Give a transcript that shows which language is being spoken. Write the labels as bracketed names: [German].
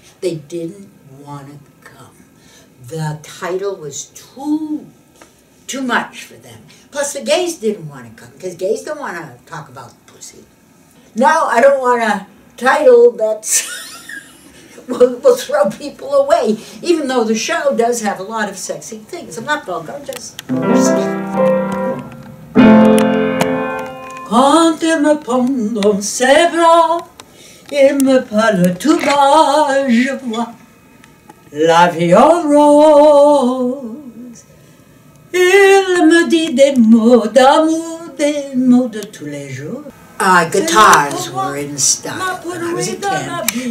[English] They didn't want to come. The title was too much for them. Plus the gays didn't want to come, because gays don't want to talk about pussy. Now I don't want a title that's will throw people away, even though the show does have a lot of sexy things. I'm not vulgar, I'm just... [French] Quand il me prend dans ses bras, il me parle tout bas, je vois la vie en rose. Il me dit des mots d'amour, des mots de tous les jours. [English] Guitars were in style when I was a kid.